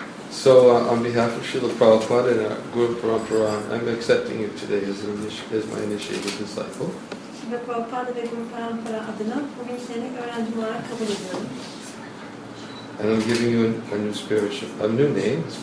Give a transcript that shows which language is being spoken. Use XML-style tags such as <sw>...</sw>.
<en>So on behalf of Srila Prabhupada and Guru Parampara, I'm accepting you today as my initiated disciple.</en> <tr>Srila Prabhupada ve Guru Parampara adına bugün seni öğrencim olarak kabul ediyorum.</tr> <en>And I'm giving you a new spiritual name.</en>